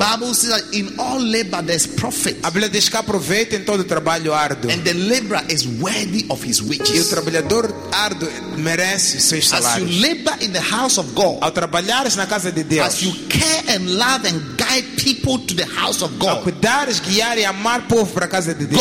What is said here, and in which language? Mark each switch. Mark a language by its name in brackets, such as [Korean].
[English] The Bible says that in all labor there's profit. [Portuguese] A Bíblia diz que aproveita em todo trabalho árduo. [English] And the laborer is worthy of his wages. [Portuguese] E o trabalhador árduo merece seus salários. [English] As you labor in the house of God. [Portuguese] Ao trabalhares na casa de Deus. [English] As you care and love and guide people to the house of God. [Portuguese] Ao cuidares, guiar e amar povo para a casa de Deus.